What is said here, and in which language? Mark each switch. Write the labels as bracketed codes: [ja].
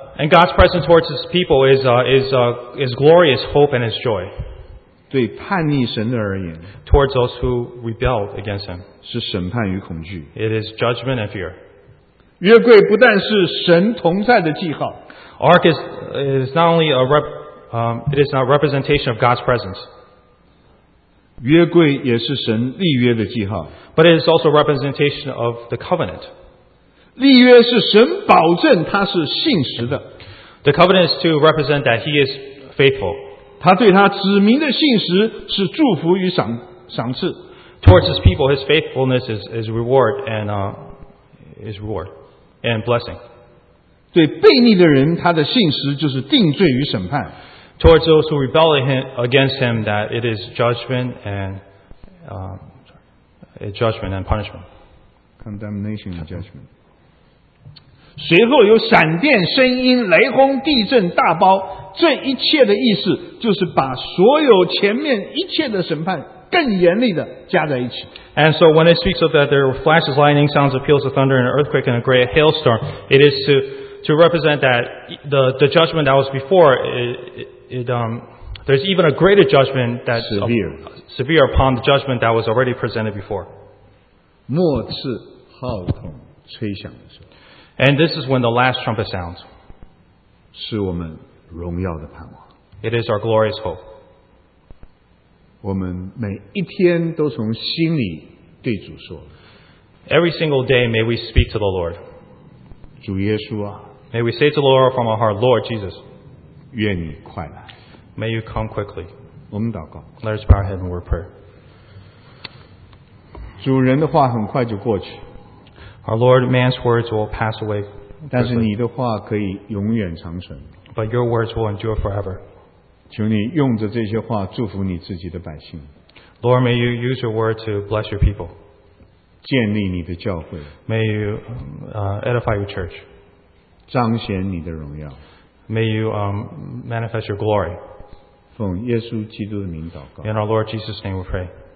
[en] And God's presence towards His people is glorious hope and His joy. [zh] 对叛逆神的而言 [en] Towards those who rebelled against Him. [zh] 是审判与恐惧 [en] It is judgment and fear. [zh] 约柜不但是神同在的记号 [en] Ark is not only a representation of God's presence. [zh] 约柜也是神立约的记号 [en] But it is also a representation of the covenant. [zh] 立约是神保证他是信实的 [en] The covenant is to represent that he is faithful. [zh] 他对他子民的信实是祝福与赏赐 [en] Towards his people, his faithfulness is reward and blessing. [zh] 对悖逆的人他的信实就是定罪与审判 [en] Towards those who rebel against him, that it is judgment and, judgment and punishment. Condemnation and judgment. [zh] 随后有闪电、声音、雷轰、地震、大雹，这一切的意思就是把所有前面一切的审判更严厉的加在一起。 [en] And so when it speaks of that, there were flashes, lightning, sounds of peals of thunder, and an earthquake, and a great hailstorm, it is to represent that the judgment that was before, there's even a greater judgment that's severe upon the judgment that was already presented before. [zh] 末次号筒吹响的时候。 [en] And this is when the last trumpet sounds. [zh] 是我们荣耀的盼望。 [en] It is our glorious hope. [zh] 我们每一天都从心里对主说。 [en] Every single day may we speak to the Lord. [zh] 主耶稣啊。 [en] May we say to the Lord from our heart, Lord Jesus. [zh] 愿你快来。 [en] May you come quickly. [zh] 我们祷告。 [en] Let us bow our head and word prayer. [zh] 主人的话很快就过去。 [en] Our Lord, man's words will pass away. [zh] 但是你的话可以永远长存。 [en] But your words will endure forever. [zh] 求你用着这些话祝福你自己的百姓。 [en] Lord, may you use your word to bless your people. [zh] 建立你的教会。 [en] May you edify your church. [zh] 彰显你的荣耀。 [en] May you manifest your glory. [zh] 奉耶稣基督的名祷告。 [en] In our Lord Jesus' name we pray.